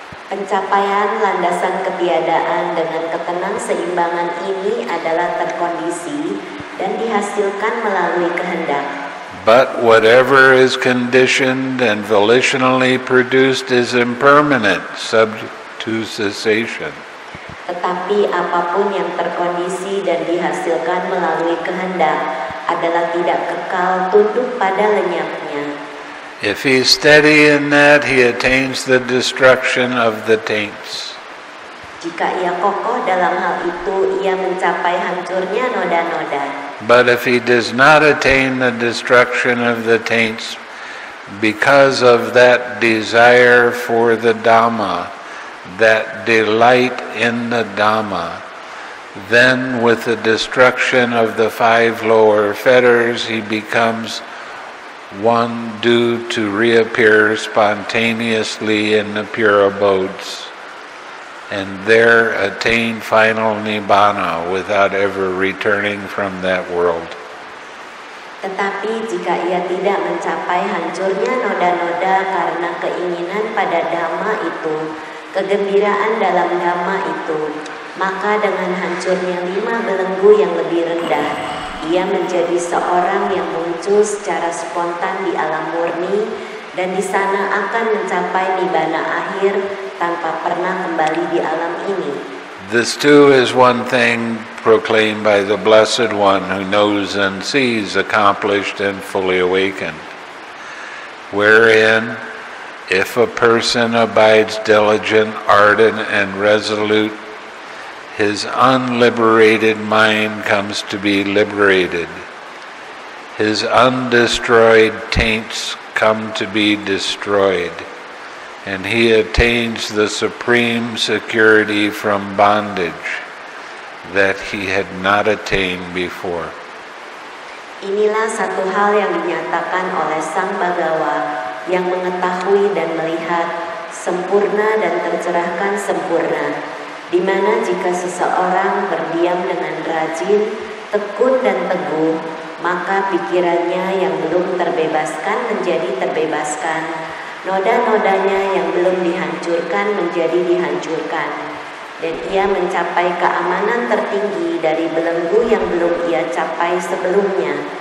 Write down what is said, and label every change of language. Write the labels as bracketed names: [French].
[Indonesian] Pencapaian landasan ketiadaan dengan ketenang seimbangan ini adalah terkondisi dan dihasilkan melalui kehendak. [English] But whatever is conditioned and volitionally produced is impermanent, subject to cessation. [Indonesian] Tetapi apapun yang terkondisi dan dihasilkan melalui kehendak adalah tidak kekal, tunduk pada lenyapnya. [English] If he is steady in that, he attains the destruction of the taints. [Indonesian] Jika ia kokoh dalam hal itu, ia mencapai hancurnya noda-noda. [English] But if he does not attain the destruction of the taints because of that desire for the Dhamma, that delight in the Dhamma, then with the destruction of the five lower fetters, he becomes one due to reappear spontaneously in the pure abodes and there attain final nibbana without ever returning from that world. [Indonesian] Tetapi jika ia tidak mencapai hancurnya noda-noda karena keinginan pada Dhamma itu, kegembiraan dalam Dhamma itu, maka dengan hancurnya lima belenggu yang lebih rendah, ia menjadi seorang yang muncul secara spontan di alam murni dan di sana akan mencapai nibbana akhir tanpa pernah kembali di alam ini. [English] This too is one thing proclaimed by the Blessed One who knows and sees, accomplished and fully awakened, wherein if a person abides diligent, ardent, and resolute, his unliberated mind comes to be liberated. His undestroyed taints come to be destroyed. And he attains the supreme security from bondage that he had not attained before. [Indonesian] Inilah satu hal yang dinyatakan oleh Sang Bhagawa yang mengetahui dan melihat sempurna dan tercerahkan sempurna, di mana jika seseorang berdiam dengan rajin, tekun dan teguh, maka pikirannya yang belum terbebaskan menjadi terbebaskan, noda-nodanya yang belum dihancurkan menjadi dihancurkan, dan ia mencapai keamanan tertinggi dari belenggu yang belum ia capai sebelumnya.